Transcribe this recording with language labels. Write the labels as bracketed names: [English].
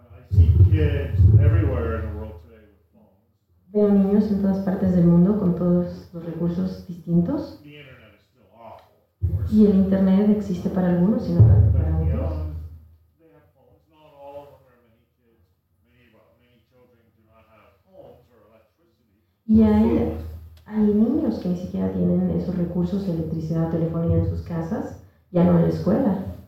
[English] I see kids everywhere in the world today with phones. [Spanish] Veo niños en todas partes del mundo con todos los recursos distintos. [English] The internet is still awful, of course. [Spanish] Y el internet existe para algunos y no tanto para otros. [English] They have phones. Not all of them are many kids. Many children do not have phones or electricity. [Spanish] Hay niños que ni siquiera tienen esos recursos de electricidad o telefonía en sus casas, ya no en la escuela.